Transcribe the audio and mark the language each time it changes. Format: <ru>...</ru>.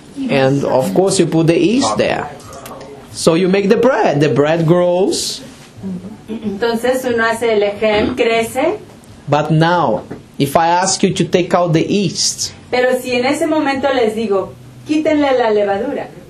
<en>And of course you put the yeast there. So you make the bread. The bread grows.</en> <es>Entonces uno hace el ejem, crece.</es> <en>But now, if I ask you to take out the yeast.</en> <es>Pero si en ese momento les digo, quítenle la levadura.</es>